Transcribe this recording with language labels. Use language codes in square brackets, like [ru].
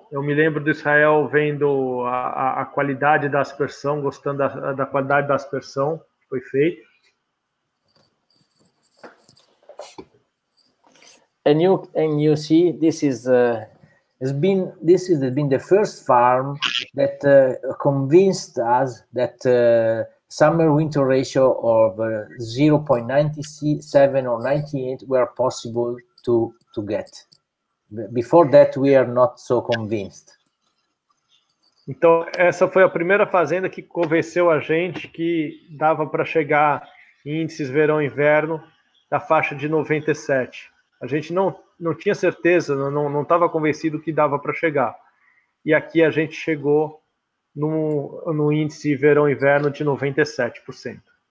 [pt] Eu me lembro do Israel vendo a qualidade da aspersão, gostando da qualidade da aspersão que foi feita. [en] And you see, this is has been the first farm that convinced us that summer winter ratio of 0.97 or 98 were possible to get. Before that, we are not so convinced. [pt] Então, essa foi a primeira fazenda que convenceu a gente que dava para chegar em índices verão-inverno da faixa de 97. A gente não tinha certeza, não estava convencido que dava para chegar. E aqui a gente chegou no índice verão-inverno de 97%.